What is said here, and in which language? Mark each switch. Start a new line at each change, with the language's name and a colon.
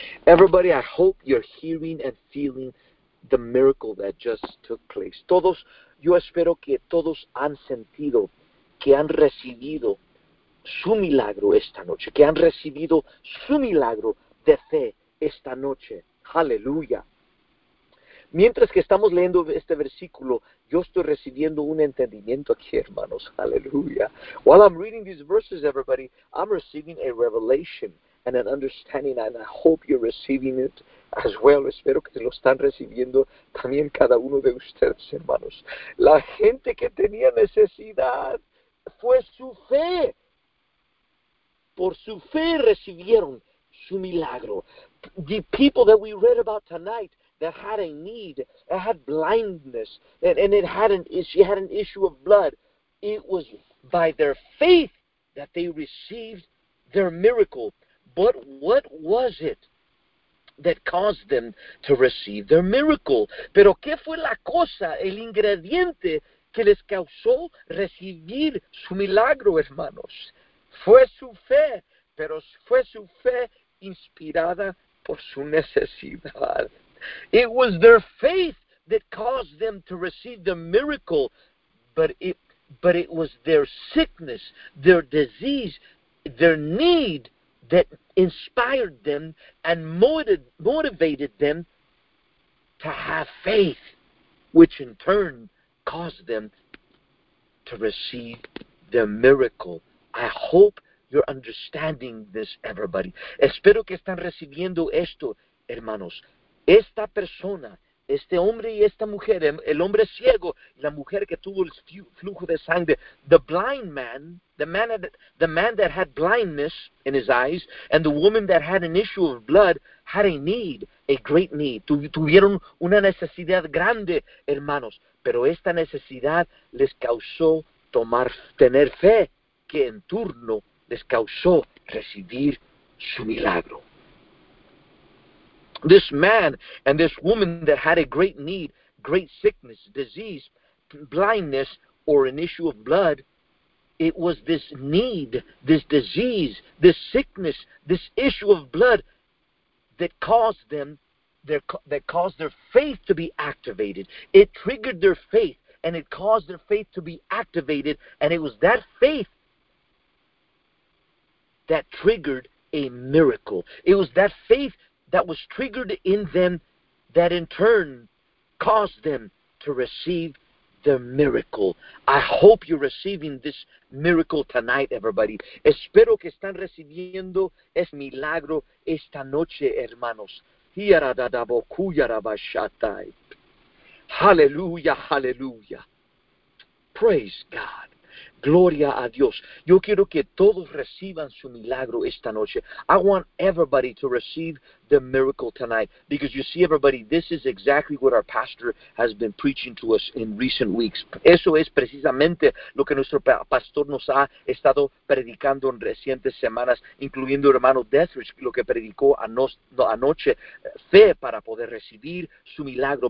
English: Everybody, I hope you're hearing and feeling the miracle that just took place.
Spanish: Todos, yo espero que todos han sentido que han recibido su milagro esta noche, que han recibido su milagro de fe esta noche. Aleluya. Mientras que estamos leyendo este versículo, yo estoy recibiendo un entendimiento aquí, hermanos. Aleluya.
English: While I'm reading these verses, everybody, I'm receiving a revelation and an understanding, and I hope you're receiving it as well.
Spanish: Espero que lo están recibiendo también cada uno de ustedes, hermanos. La gente que tenía necesidad fue su fe. Por su fe recibieron su milagro.
English: The people that we read about tonight that had a need, that had blindness, and it had an issue, she had an issue of blood, it was by their faith that they received their miracle. But what was it that caused them to receive their miracle?
Spanish: Pero qué fue la cosa, el ingrediente que les causó recibir su milagro, hermanos? Fue su fe, pero fue su fe inspirada por su necesidad.
English: It was their faith that caused them to receive the miracle, but it was their sickness, their disease, their need that inspired them and motivated them to have faith, which in turn caused them to receive their miracle. I hope you're understanding this, everybody.
Spanish: Espero que están recibiendo esto, hermanos. Esta persona, este hombre y esta mujer, el hombre ciego y la mujer que tuvo el flujo de sangre,
English: the blind man, the man that had blindness in his eyes, and the woman that had an issue of blood, had a need, a great need.
Spanish: Tuvieron una necesidad grande, hermanos, pero esta necesidad les causó tener fe, que en turno les causó recibir su milagro.
English: This man and this woman that had a great need, great sickness, disease, blindness, or an issue of blood, it was this need, this disease, this sickness, this issue of blood that caused them, that caused their faith to be activated. It triggered their faith, and it caused their faith to be activated, and it was that faith that triggered a miracle. It was that faith that was triggered in them that in turn caused them to receive the miracle. I hope you're receiving this miracle tonight, everybody.
Spanish: Espero que están recibiendo este milagro esta noche, hermanos.
English: Hallelujah, hallelujah. Praise God.
Spanish: Gloria a Dios. Yo quiero que todos reciban su milagro esta noche.
English: I want everybody to receive the miracle tonight. Because you see, everybody, this is exactly what our pastor has been preaching to us in recent weeks.
Spanish: Eso es precisamente lo que nuestro pastor nos ha estado predicando en recientes semanas, incluyendo hermano Dethridge, lo que predicó anoche, fe para poder recibir su milagro.